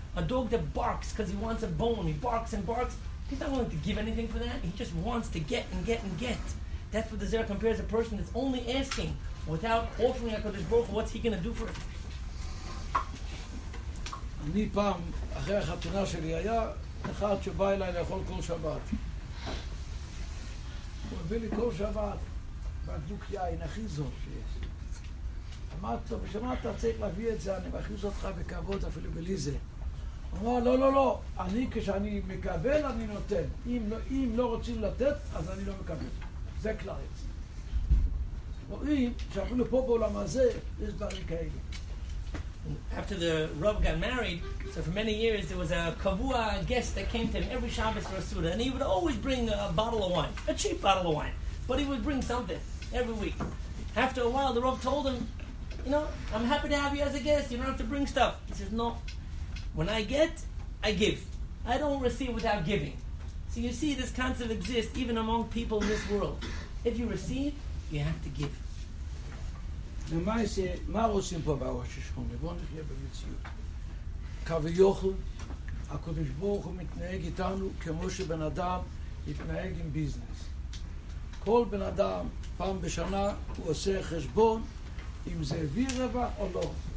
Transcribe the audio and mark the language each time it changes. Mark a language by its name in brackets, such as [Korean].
[English] A dog that barks because he wants a bone. He barks and barks. He's not willing to give anything for that. He just wants to get and get and get. That's what the Zohar compares a person that's only asking without offering a Kodesh Baruch. What's he going to do for it? [Hebrew] אני פעם, אחרי החתונה שלי, היה אחד שבא אליי לאכול כל שבת. הוא הביא לי כל שבת, בקבוק יין, הכי זול שיש. אמרתי לו, בשביל מה אתה צריך להביא את זה, אני מכניס אותך בכבוד אפילו בלי זה. הוא אמר, לא, אני כשאני מקבל, אני נותן. אם לא רוצים לתת, אז אני לא מקבל. זה כלל יצא. רואים שאפילו פה בעולם הזה, יש דברים כאלה. [English] After the Rav got married, so for many years there was a kavua guest that came to him every Shabbos for a suda, and he would always bring a bottle of wine, a cheap bottle of wine, but he would bring something every week. After a while, the Rav told him, you know, I'm happy to have you as a guest, you don't have to bring stuff. He says, no, when I get, I give. I don't receive without giving. So you see, this concept exists even among people in this world. If you receive, you have to give. [Hebrew] למעשה, מה עושים פה בראש השכונה? בואו נחיה במציאות. כביכול, הקדוש ברוך הוא מתנהג איתנו כמו שבן אדם מתנהג עם ביזנס. כל בן אדם, פעם בשנה, הוא עושה חשבון אם זה הביא רבע או לא.